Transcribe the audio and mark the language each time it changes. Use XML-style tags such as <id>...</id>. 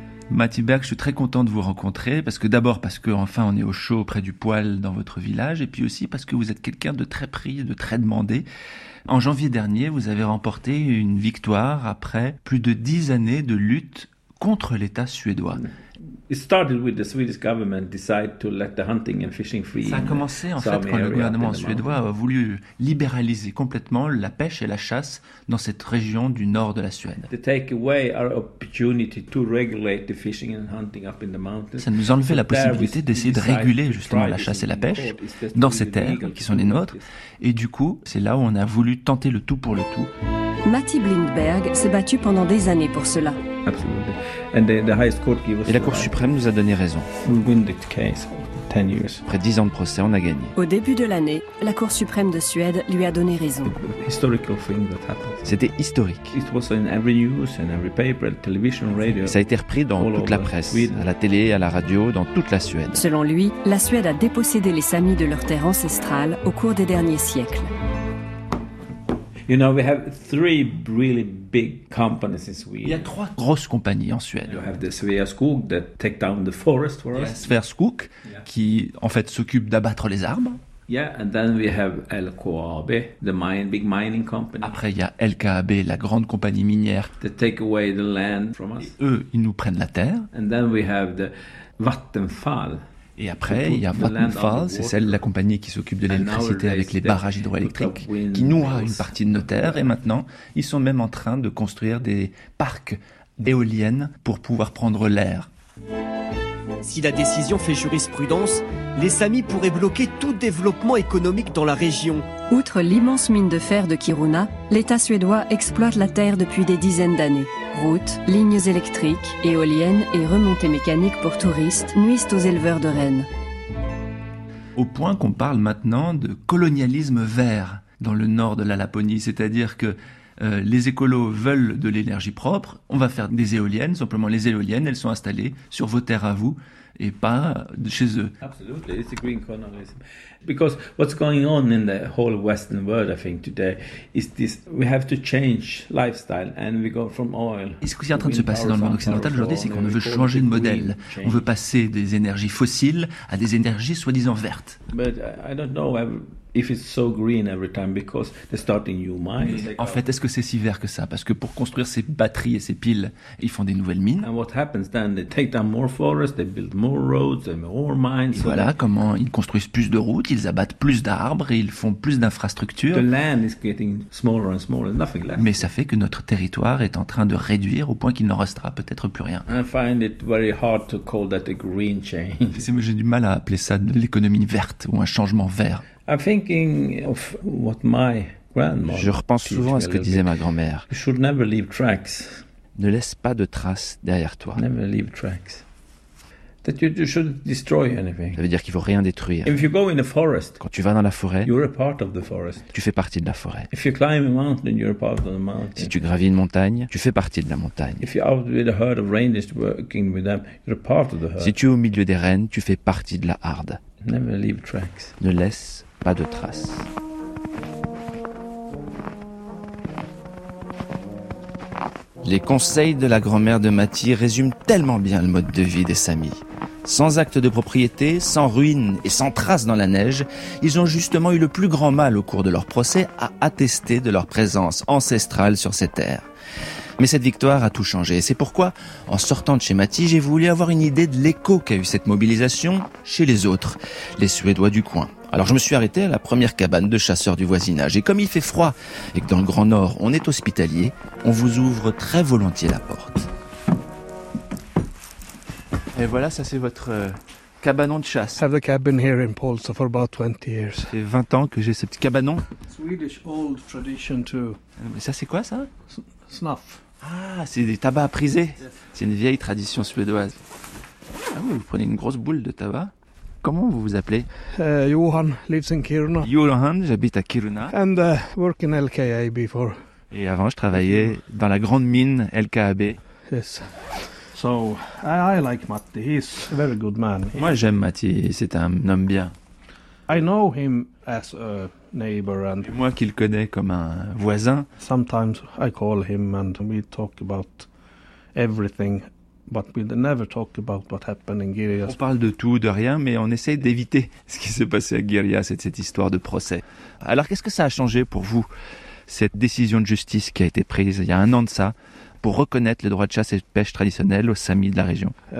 <fr>Matti Berg, je suis très content de vous rencontrer, parce que d'abord parce qu'enfin on est au chaud près du poêle dans votre village, et puis aussi parce que vous êtes quelqu'un de très pris, de très demandé. En janvier dernier, vous avez remporté une victoire après plus de 10 années de lutte contre l'État suédois.</fr> <en>It started with the Swedish government decided to let the hunting and fishing free.</en> <fr>Ça a commencé en fait quand le gouvernement suédois a voulu libéraliser complètement la pêche et la chasse dans cette région du nord de la Suède.</fr> <en>To take away our opportunity to regulate the fishing and hunting up in the mountains.</en> <fr>Ça nous enlevait la possibilité d'essayer de réguler justement la chasse et la pêche dans ces terres qui sont les nôtres. Et du coup, c'est là où on a voulu tenter le tout pour le tout. Matti Blindberg s'est battu pendant des années pour cela.</fr> <en>And the highest court gave us</en> <fr>et la Cour suprême nous a donné raison.</fr> <en>We win the case, 10 years.</en> <fr>Après 10 ans de procès, on a gagné. Au début de l'année, la Cour suprême de Suède lui a donné raison.</fr> <en>Historical thing that happened.</en> <fr>C'était historique.</fr> <en>It was in every news, in every paper, television, radio.</en> <fr>Ça a été repris dans toute la presse, Sweden. À la télé, à la radio, dans toute la Suède. Selon lui, la Suède a dépossédé les Samis de leur terre ancestrale au cours des derniers siècles.</fr> <en>You know, we have three really big companies in Sweden.</en> <fr>Il y a trois grosses compagnies en Suède.</fr> <en>You have the Sveaskog that take down the forest for us.</en> <fr>Sveaskog, yeah. Qui en fait s'occupe d'abattre les arbres.</fr> <en>Yeah, and then we have LKAB, the mine, big mining company.</en> <fr>Après, il y a LKAB, la grande compagnie minière.</fr> <en>They take away the land from us.</en> <fr>Et eux, ils nous prennent la terre.</fr> <en>And then we have the Vattenfall.</en> <fr>Et après, il y a Vattenfall, c'est celle de la compagnie qui s'occupe de l'électricité avec les barrages hydroélectriques, qui noie une partie de nos terres. Et maintenant, ils sont même en train de construire des parcs d'éoliennes pour pouvoir prendre l'air. Si la décision fait jurisprudence, les Samis pourraient bloquer tout développement économique dans la région. Outre l'immense mine de fer de Kiruna, l'État suédois exploite la terre depuis des dizaines d'années. Routes, lignes électriques, éoliennes et remontées mécaniques pour touristes nuisent aux éleveurs de rennes. Au point qu'on parle maintenant de colonialisme vert dans le nord de la Laponie, c'est-à-dire que les écolos veulent de l'énergie propre, on va faire des éoliennes, simplement les éoliennes, elles sont installées sur vos terres à vous et pas chez eux.</fr> <en>Absolutely, it's a green colonialism. Because what's going on in the whole Western world, I think, today, is this, we have to change lifestyle and we go from oil.</en> <fr>Et ce qui est en train de se passer dans le monde occidental aujourd'hui, c'est qu'on veut changer de modèle. On veut passer des énergies fossiles à des énergies soi-disant vertes.</fr> <en>But I don't know if it's so green every time because they're starting new mines.</en> <fr>Mais en fait, est-ce que c'est si vert que ça? Parce que pour construire ces batteries et ces piles, ils font des nouvelles mines.</fr> <en>And what happens then? They take down more forests, they build more roads, and more mines.</en> <fr>Et voilà comment ils construisent plus de routes, ils abattent plus d'arbres, ils font plus d'infrastructures.</fr> <en>The land is getting smaller and smaller, nothing less.</en> <fr>Mais ça fait que notre territoire est en train de réduire au point qu'il n'en restera peut-être plus rien.</fr> <en>I find it very hard to call that a green change.</en> <fr>J'ai du mal à appeler ça de l'économie verte ou un changement vert.</fr> <en>I'm thinking of what my grandmother.</en> <fr>Je repense souvent à ce que disait ma grand-mère.</fr> <en>You should never leave tracks.</en> <fr>Ne laisse pas de traces derrière toi.</fr> <en>Never leave tracks. That you should destroy anything.</en> <fr>Ça veut dire qu'il faut rien détruire.</fr> <en>If you go in a forest.</en> <fr>Quand tu vas dans la forêt.</fr> <en>You're a part of the forest.</en> <fr>Tu fais partie de la forêt.</fr> <en>If you climb a mountain, you're a part of the mountain.</en> <fr>Si tu gravis une montagne, tu fais partie de la montagne.</fr> <en>If you're out with a herd of reindeers working with them, you're a part of the herd.</en> <fr>Si tu es au milieu des rennes, tu fais partie de la harde.</fr> <en>Never leave tracks.</en> <fr>Ne laisse pas de traces. Les conseils de la grand-mère de Mati résument tellement bien le mode de vie des Samis. Sans acte de propriété, sans ruines et sans traces dans la neige, ils ont justement eu le plus grand mal au cours de leur procès à attester de leur présence ancestrale sur ces terres. Mais cette victoire a tout changé. C'est pourquoi, en sortant de chez Mati, j'ai voulu avoir une idée de l'écho qu'a eu cette mobilisation chez les autres, les Suédois du coin. Alors je me suis arrêté à la première cabane de chasseurs du voisinage. Et comme il fait froid et que dans le Grand Nord, on est hospitalier, on vous ouvre très volontiers la porte. Et voilà, ça c'est votre cabanon de chasse.</fr> <en>I have a cabin here in Polsa for about 20 years.</en> <fr>Ça fait 20 ans que j'ai ce petit cabanon.</fr> <en>Swedish old tradition too.</en> <fr>Mais ça c'est quoi ça?</fr> <en>Snuff.</en> <fr>Ah, c'est des tabacs à priser. C'est une vieille tradition suédoise. Ah oui, vous prenez une grosse boule de tabac. Comment vous vous appelez?</fr> <en>Johan lives in Kiruna.</en> <fr>Johan, j'habite à Kiruna.</fr> <en>And work in LKAB for.</en> <fr>Et avant, je travaillais dans la grande mine LKAB.</fr> <en>Yes. So I like Matti. He's a very good man.</en> <fr>Moi, j'aime Matti. C'est un homme bien.</fr> <en>I know him as a neighbor and.</en> <fr>Et moi, qui le connais comme un voisin.</fr> <en>Sometimes I call him and we talk about everything. But we never talk about what happened in Girias.</en> <fr>On parle de tout, de rien, mais on essaye d'éviter ce qui s'est passé à Girias et cette histoire de procès. Alors qu'est-ce que ça a changé pour vous, cette décision de justice qui a été prise il y a un an de ça, pour reconnaître les droits de chasse et de pêche traditionnels aux Samis de la région?</fr>